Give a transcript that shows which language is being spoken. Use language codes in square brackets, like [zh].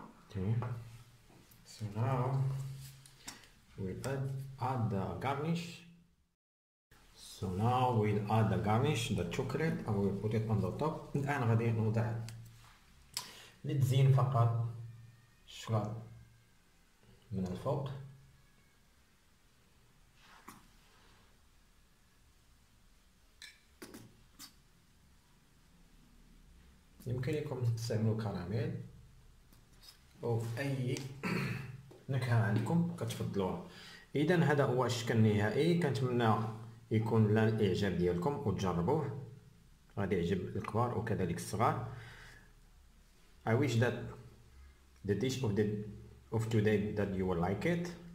[en] Okay. So now we'll add the garnish. So now we'll add the garnish, the chocolate, and we'll put it on the top. [ar] الآن غادي نوضع لتزين فقط شغل من الفوق. يمكن لكم تستعملوا كراميل أو أي نكهة عندكم كتفضلوها. إذا هذا هو الشكل النهائي. كنتمنى يكون لنا الإعجاب ديالكم وتجربوه، غادي يعجب الكبار وكذلك الصغار. [en] I wish that the dish of today that you will like it.